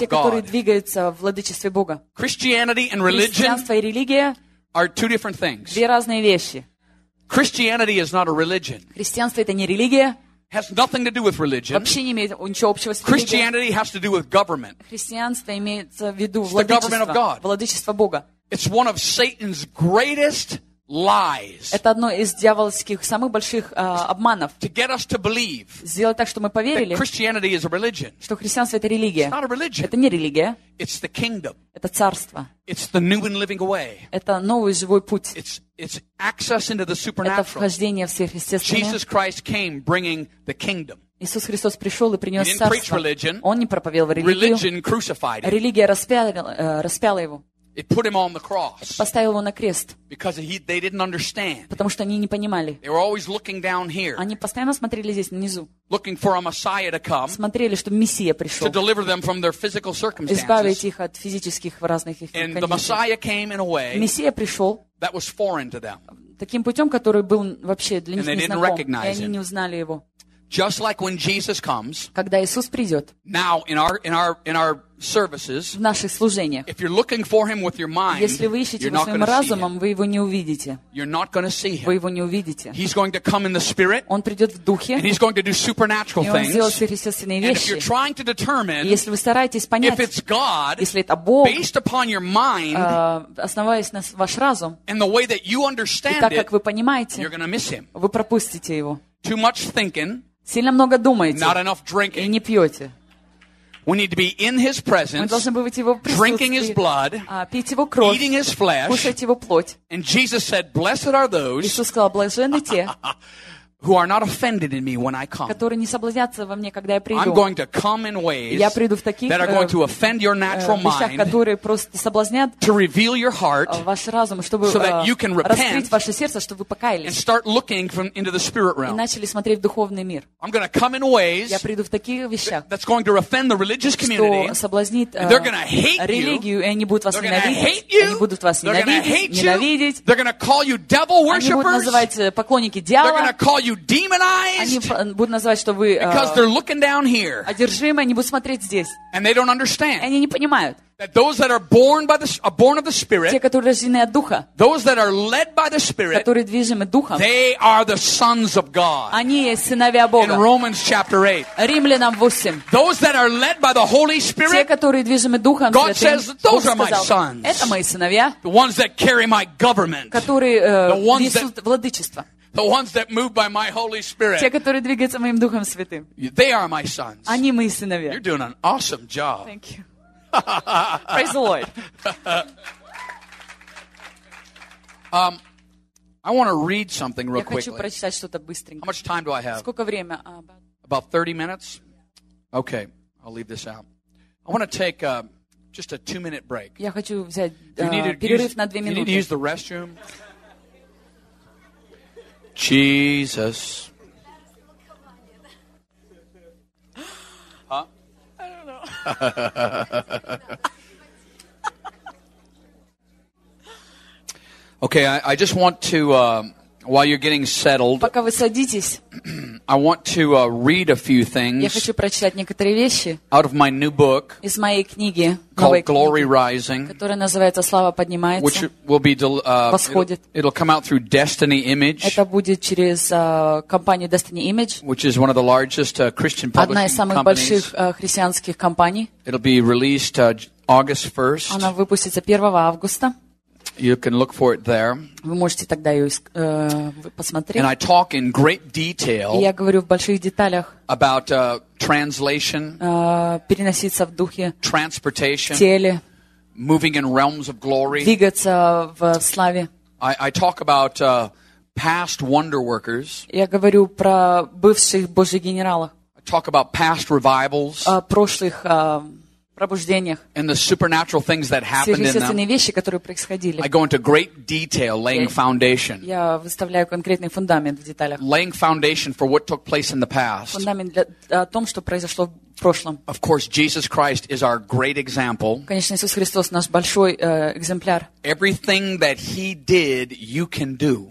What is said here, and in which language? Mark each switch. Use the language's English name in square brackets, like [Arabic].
[Russian] Те, которые двигаются в владычестве Бога. [English] Christianity and religion. [Russian] Христианство и религия. [English] Are two different things. [Russian] Две разные вещи. [English] Christianity is not a religion. [Russian] Христианство это не религия. [English] Has nothing to do with religion. [Russian] Вообще не имеет ничего общего с религией. [English] Christianity has to do with government. [Russian] Христианство имеется в виду владычество. [English] It's the government of God. [Russian] Владычество Бога. [English] It's one of Satan's greatest lies. [Russian] Это одно из дьявольских самых больших обманов. [English] To get us to believe. [Russian] Сделать так, что мы поверили. [English] That Christianity is a religion. [Russian] Что христианство это религия. [English] It's not a religion. [Russian] Это не религия. [English] It's the kingdom. [Russian] Это царство. [English] It's the new and living way. [Russian] Это новый живой путь. [English] It's access into the supernatural. [Russian] Это вхождение в сверхъестественное. [English] Jesus Christ came bringing the kingdom. [Russian] Иисус Христос пришел и принес царство. [English] He didn't preach religion. [Russian] Он не проповел религию. [English] Religion crucified him. [Russian] Религия распяла его. [English] It put him on the cross. [Russian] Поставил его на крест. [English] Because they didn't understand. [Russian] Потому что они не понимали. [English] They were always looking down here. [Russian] Они постоянно смотрели здесь внизу. [English] Looking for a Messiah to come. [Russian] Смотрели, чтобы Мессия пришел. [English] To deliver them from their physical circumstances. [Russian] Избавить их от физических разных их [English] condition. And the Messiah came in a way. [Russian] Мессия пришел. [English] That was foreign to them. [Russian] Таким путем, который был вообще для них незнаком. [English] And they didn't recognize him. [Russian] И они не узнали его. [English] Just like when Jesus comes. [Russian] Когда Иисус придет. [English] Now in our services. [Russian] В наших служениях. [English] If you're looking for him with your mind, [Russian] если вы ищете его своим разумом, вы его не увидите. [English] You're not going to see him. [Russian] Вы его не увидите. [English] He's going to come in the spirit. [Russian] Он придет в духе. [English] And he's going to do supernatural things. [Russian] И он сделает сверхъестественные вещи. [English] And if you're trying to determine, [Russian] если вы стараетесь понять, [English] if it's God, [Russian] если это Бог, [English] based upon your mind, [Russian] основываясь на ваш разум, [English] and the way that you understand [Russian] и так, как вы понимаете, [English] you're going to miss him. [Russian] Вы пропустите его. [English] Too much thinking. [Russian] Сильно много думаете. [English] Not enough drinking. [Russian] И не пьете. [English] We need to be in his presence. [Russian] Мы должны быть в его присутствии. [English] Drinking his blood. [Russian] Пить его кровь. [English] Eating his flesh. [Russian] Кушать его плоть. [English] And Jesus said, "Blessed are those." [Russian] Иисус сказал, блаженны те. [English] Who are not offended in me when I come. [Russian] Которые не соблазнятся во мне, когда я приду. [English] I'm going to come in ways. [Russian] Я приду в таких. [English] That are going to offend your natural mind. [Russian] Вещах, которые просто соблазнят. [English] To reveal your heart. [Russian] Ваш разум, чтобы. [English] So that you can repent. [Russian] Раскрыть ваше сердце, чтобы вы покаялись. [English] And start looking from into the spirit realm. [Russian] И начали смотреть в духовный мир. [English] I'm going to come in ways. [Russian] Я приду в таких вещах. [English] That's going to offend the religious community. [Russian] Что соблазнит. [English] And they're going to hate you. [Russian] Религию, и они будут вас ненавидеть. [English] They're going to hate you. [Russian] Они будут вас ненавидеть. Ненавидеть. [English] They're going to call you devil worshippers. [Russian] Они будут называть поклонники дьявола. [English] They're going to call you demonized. [Russian] Они будут называть, что вы одержимы, они будут смотреть здесь. [English] And they don't understand. [Russian] Они не понимают. [English] That those that are born of the Spirit. [Russian] Те, которые рождены от Духа. [English] Those that are led by the Spirit. [Russian] Которые движимы Духом. [English] They are the sons of God. [Russian] Они сыновья Бога. [English] In Romans chapter 8. [Russian] Римлянам 8. [English] Those that are led by the Holy Spirit. [Russian] Те, которые движимы Духом. [English] God says, those are my sons. [Russian] Это мои сыновья. [English] The ones that carry my government. [Russian] Которые несут владычество. [English] The ones that move by my Holy Spirit. [Russian] Те, которые двигаются моим Духом Святым. [English] They are my sons. [Russian] Они мои сыновья. [English] You're doing an awesome job. Thank you. Praise the Lord. I want to read something real quickly. [Russian] Я хочу прочитать что-то быстренько. [English] How much time do I have? [Russian] Сколько время? [English] About 30 minutes? Okay, I'll leave this out. I want to take just a 2-minute break. [Russian] Я хочу взять перерыв на 2 минуты. [English] You need to use the restroom. Jesus. Okay, I just want to while you're getting settled. [Russian] Пока вы садитесь. [English] I want to read a few things. [Russian] Я хочу прочитать некоторые вещи. [English] Out of my new book. [Russian] Из моей книги. [English] Called Glory [Russian] книги, [English] Rising. [Russian] Которая называется «Слава поднимается». [English] Which will be [Russian] восходит. [English] It'll come out through Destiny Image. [Russian] Это будет через компанию Destiny Image. [English] Which is one of the largest Christian publishing companies. [Russian] Одна из самых больших христианских компаний. [English] It'll be released August 1st. [Russian] Она выпустится 1 августа. [English] You can look for it there. [Russian] Вы можете тогда ее посмотреть. [English] And I talk in great detail. [Russian] И я говорю в больших деталях. [English] About translation. [Russian] Переноситься в духе. [English] Transportation. [Russian] В теле. [English] Moving in realms of glory. [Russian] Двигаться в славе. [English] I talk about past wonder workers. [Russian] Я говорю про бывших Божьих генералов. [English] I talk about past revivals. [Russian] Прошлых пробуждениях. [English] And the supernatural things that happened in them. [Russian] Сверхъестественные вещи, которые происходили. [English] I go into great detail laying foundation. [Russian] Я выставляю конкретный фундамент в деталях. [English] Laying foundation for what took place in the past. [Russian] Фундамент для о том, что произошло в прошлом. [English] Of course, Jesus Christ is our great example. [Russian] Конечно, Иисус Христос наш большой экземпляр. [English] Everything that he did, you can do.